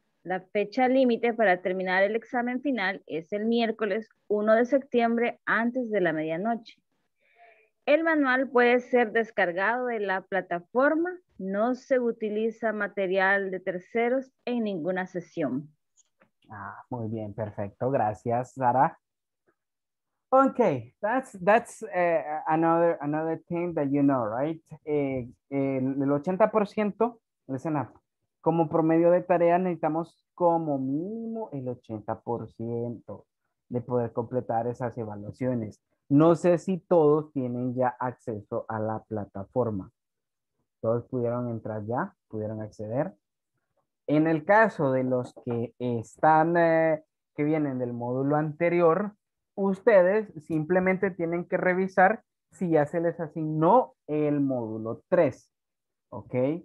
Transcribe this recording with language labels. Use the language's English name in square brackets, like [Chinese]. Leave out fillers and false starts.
[Spanish] La fecha límite para terminar el examen final es el miércoles 1 de septiembre antes de la medianoche. El manual puede ser descargado de la plataforma. No se utiliza material de terceros en ninguna sesión. Ah, muy bien, perfecto. Gracias, Sara. [English] Okay, that's another thing that you know, right? [Spanish] El 80%, [English] listen up. [Spanish] Como promedio de tareas necesitamos como mínimo el 80% de poder completar esas evaluaciones. No sé si todos tienen ya acceso a la plataforma. ¿Todos pudieron entrar ya? ¿Pudieron acceder? En el caso de los que están, que vienen del módulo anterior, ustedes simplemente tienen que revisar si ya se les asignó el módulo 3. ¿Ok?